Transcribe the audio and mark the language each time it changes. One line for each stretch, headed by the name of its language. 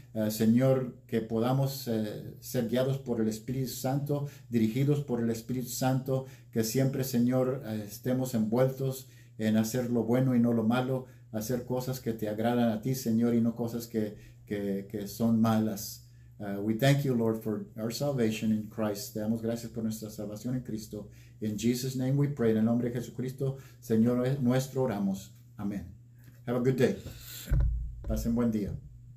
Spanish: Señor, que podamos ser guiados por el Espíritu Santo, dirigidos por el Espíritu Santo, que siempre, Señor, estemos envueltos en hacer lo bueno y no lo malo, hacer cosas que te agradan a ti, Señor, y no cosas que son malas.
English: We thank you, Lord, for our salvation in Christ.
Spanish: Te damos gracias por nuestra salvación en Cristo.
English: In Jesus' name we pray.
Spanish: En el nombre de Jesucristo, Señor nuestro, oramos. Amén.
English: Have a good day.
Spanish: Pasen buen día.